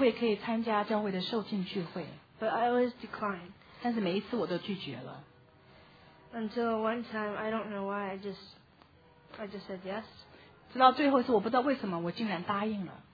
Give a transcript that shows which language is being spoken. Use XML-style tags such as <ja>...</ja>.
<zh>这之后呢,我有好几次机会可以参加教会的受浸聚会。</zh> <en>But I always declined.</en> <zh>但是每一次我都拒绝了。</zh> <en>Until one time, I don't know why, I just said yes.</en> <zh>直到最后一次,我不知道为什么,我竟然答应了。</zh>